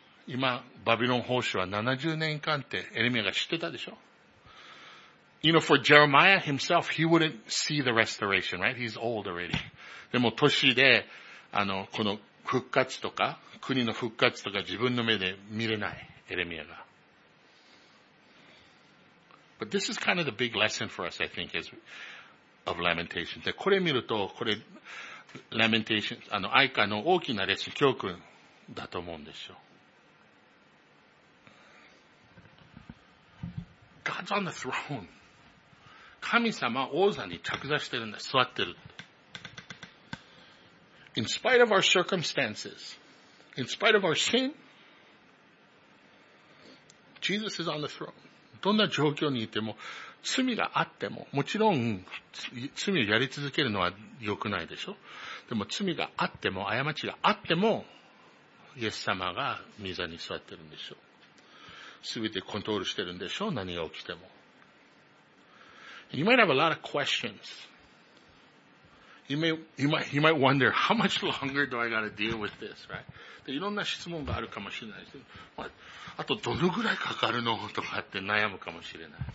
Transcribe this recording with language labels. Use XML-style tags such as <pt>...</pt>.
<ja>今、バビロン奉仕は70年間ってエレミアが知ってたでしょ。</ja> <en>You know, for Jeremiah himself, he wouldn't see the restoration, right? He's old already.</en> <ja>でも年で、この復活とか、国の復活とか自分の目で見れない、エレミアが。</ja> <en>But this is kind of the big lesson for us, I think, is of Lamentations.</en> <ja>で、これ見ると、これ、Lamentations、愛歌の大きなレッスン、教訓だと思うんですよ。</ja> <en>God's on the throne.</en> <ja>神様、王座に着座してるんだ、座ってる。</ja> <en>In spite of our circumstances,In spite of our sin, Jesus is on the throne.</en> <ja>どんな状況にいても、罪があっても、もちろん、罪をやり続けるのは良くないでしょ。でも、罪があっても、過ちがあっても、イエス様が御座に座ってるんでしょ。すべてコントロールしてるんでしょ、何が起きても。</ja> <en>You might have a lot of questions. You might wonder, how much longer do I gotta deal with this, right?</en> <ja>いろんな質問があるかもしれないです。あとどのぐらいかかるのとかって悩むかもしれない。</ja>